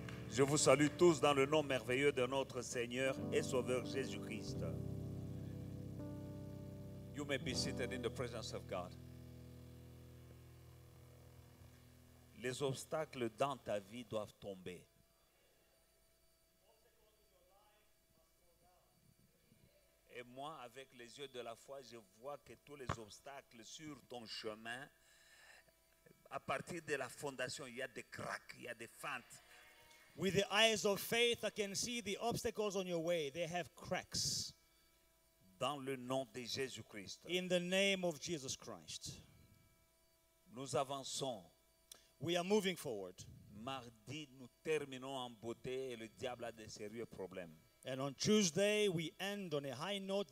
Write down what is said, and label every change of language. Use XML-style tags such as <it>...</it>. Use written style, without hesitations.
<fr>Je vous salue tous dans le nom merveilleux de notre Seigneur et Sauveur Jésus-Christ.</fr> <en>You may be seated in the presence of God.</en> <fr>Les obstacles dans ta vie doivent tomber. Et moi, avec les yeux de la foi, je vois que tous les obstacles sur ton chemin, à partir de la fondation, il y a des cracks, il y a des fentes.</fr> <en>With the eyes of faith, I can see the obstacles on your way. They have cracks.</en> <fr>Dans le nom de Jésus-Christ.</fr> <en>In the name of Jesus Christ.</en> <fr>Nous avançons.</fr> <en>We are moving forward.</en> <fr>Mardi, nous terminons en beauté et le diable a des sérieux problèmes.</fr> <en>And on Tuesday, we end on a high note.</en>